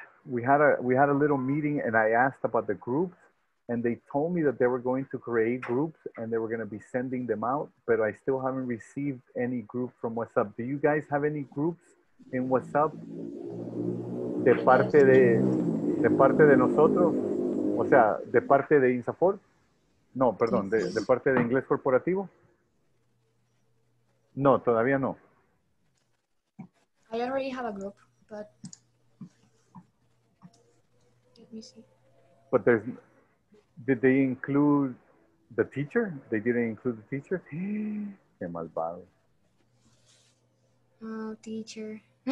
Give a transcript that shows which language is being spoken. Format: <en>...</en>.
<en>We had a little meeting and I asked about the groups, and they told me that they were going to create groups and they were going to be sending them out, but I still haven't received any group from WhatsApp. Do you guys have any groups in WhatsApp?</en> <es>De parte de nosotros, o sea, de parte de INSAFORP, no, perdón, de parte de Inglés Corporativo, no, todavía no.</es> <en>I already have a group, but let me see. But there's, did they include the teacher? They didn't include the teacher?</en> <es>Qué malvado.</es> <en>Oh, teacher.</en>